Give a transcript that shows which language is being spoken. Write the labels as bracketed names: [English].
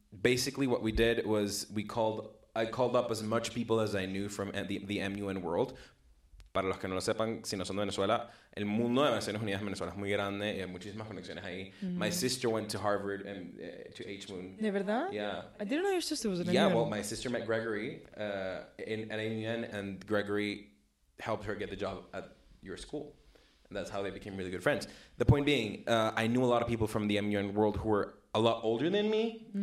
[English] Basically, what we did was I called up as much people as I knew from the MUN world, [Spanish] Para los que no lo sepan, si no son de Venezuela, el mundo de Naciones Unidas en Venezuela es muy grande y hay muchísimas conexiones ahí. Mm. [English] My sister went to Harvard and to H Moon. [Spanish] ¿De verdad? [English] Yeah. I didn't know your sister was an AUN. Yeah, well, my sister met Gregory at AUN, and Gregory helped her get the job at your school. And that's how they became really good friends. The point being, I knew a lot of people from the MUN world who were a lot older than me, mm-hmm.